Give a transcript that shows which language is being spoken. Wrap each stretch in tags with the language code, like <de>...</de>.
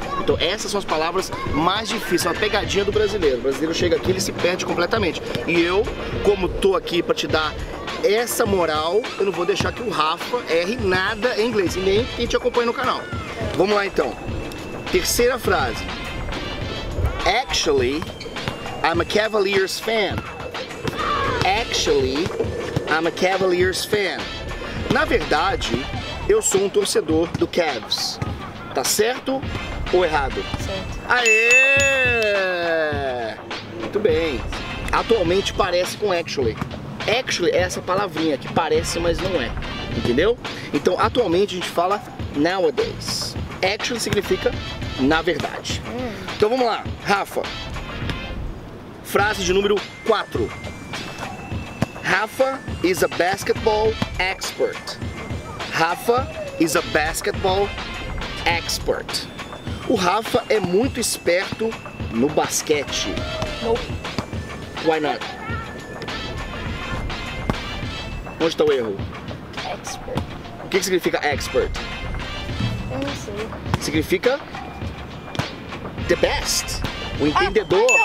<pt>Então essas são as palavras mais difíceis, uma pegadinha do brasileiro. O brasileiro chega aqui, ele se perde completamente. E eu, como tô aqui pra te dar essa moral, eu não vou deixar que o Rafa erre nada em inglês, e nem quem te acompanha no canal. Vamos lá então. Terceira frase.</pt> <en>Actually, I'm a Cavaliers fan. Actually, I'm a Cavaliers fan.</en> <pt>Na verdade, eu sou um torcedor do Cavs. Tá certo ou errado? Certo. Aê! Muito bem. Atualmente parece com actually. Actually é essa palavrinha que parece, mas não é. Entendeu? Então, atualmente a gente fala nowadays. Actually significa na verdade. Então vamos lá, Rafa. Frase de número 4.</pt> <en>Rafa is a basketball expert. Rafa is a basketball expert.</en> <pt>O Rafa é muito esperto no basquete.</pt> <en>Nope. Why not?</en> <pt>Onde está o erro? Expert. O que significa expert? Eu não sei. Significa</pt> <en>the best.</en> <pt>O entendedor.</pt>